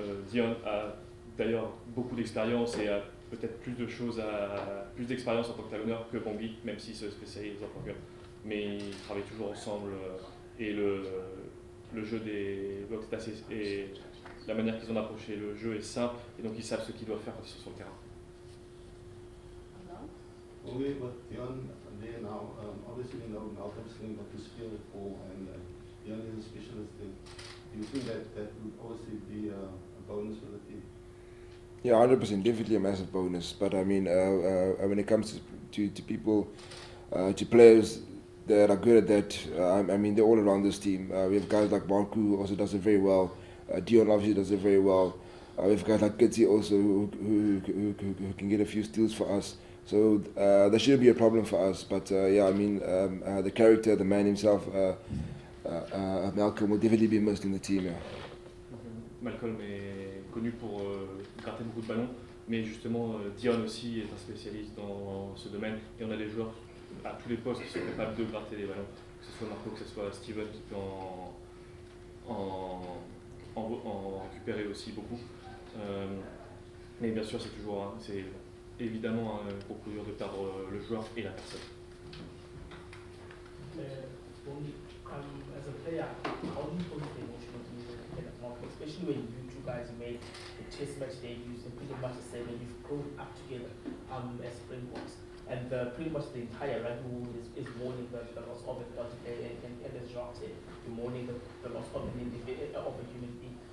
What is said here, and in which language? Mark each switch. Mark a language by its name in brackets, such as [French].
[French] Dion a d'ailleurs beaucoup d'expérience et a peut-être plus d'expérience en tant que talonneur que Bongi, même s'il se spécialise en tant que. Mais ils travaillent toujours ensemble et le jeu des blocs et la manière qu'ils ont approché le jeu est simple et donc ils savent ce qu'ils doivent faire quand ils sont sur le terrain. [English] Only with Jan there now, obviously you know Malcolm's thing, but you skill it all, and Jan is a specialist thing. Do you think that would obviously be a bonus for the team? Yeah, 100%, definitely a massive bonus. But I mean, when it comes to people, to players that are good at that, I mean, they're all around this team. We have guys like Marku, who also does it very well. Dion obviously does it very well. We have guys like Gitsi also, who can get a few steals for us. So that shouldn't be a problem for us. But the character, the man himself, Malcolm, will definitely be missed in the team. Yeah. [French] Malcolm est connu pour gratter beaucoup de ballons, mais justement Dion aussi est un spécialiste dans ce domaine et on a des joueurs à tous les postes qui sont capables de gratter des ballons, que ce soit Marco, que ce soit Steven qui peut en récupérer aussi beaucoup. Mais bien sûr, c'est toujours, c'est évidemment beaucoup plus dur de perdre le joueur et la personne. [English] As a player, how do you hold the emotional thing? Especially when you two guys made the test match debuts and pretty much the same, and you've grown up together as Springboks. And pretty much the entire rugby world is mourning the loss of it, and as Jacques said, you're mourning the loss of an individual, of a human being.